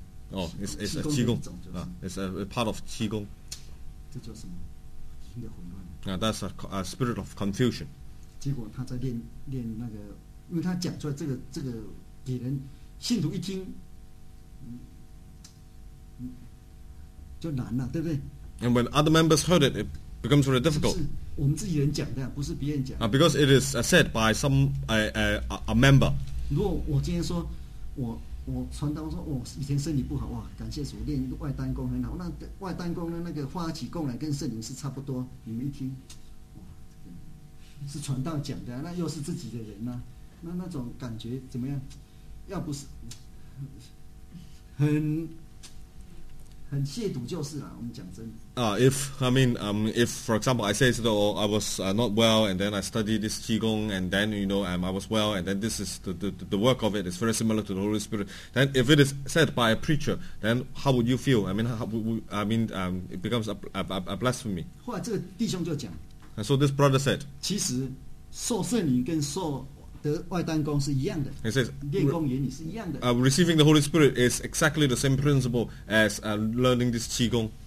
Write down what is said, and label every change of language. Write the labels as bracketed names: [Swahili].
[English] 哦，it's a 气功啊，it's a part of 气功。 [Chinese] 这叫什么？灵的混乱。 [English] 啊，that's a spirit of confusion。 [Chinese] 结果他在练那个，因为他讲出来这个给人信徒一听，就难了，对不对 [English] ？And when other members heard it, it becomes very difficult. [Chinese] 我们自己人讲的，不是别人讲。 [English] Because it is said by some a member. [Chinese] 如果我今天说，我传道说，我以前身体不好，哇，感谢主，我练外丹功很好。那外丹功的那个发起供来跟圣灵是差不多。你们一听，哇，是传道讲的，那又是自己的人呐、啊，那种感觉怎么样？要不是很亵渎就是了、啊，我们讲真的。 [English] If for example I say that I was not well and then I studied this qigong and then you know I was well and then this is the work of it is very similar to the Holy Spirit, then if it is said by a preacher, then how would you feel? It becomes a blasphemy. [Chinese] 后来这个弟兄就讲, [English] and so this brother said, [Chinese] 其实受圣灵跟受得外丹功是一样的, [English] he says, [Chinese] 练功原理是一样的, [English] receiving the Holy Spirit is exactly the same principle as learning this qigong.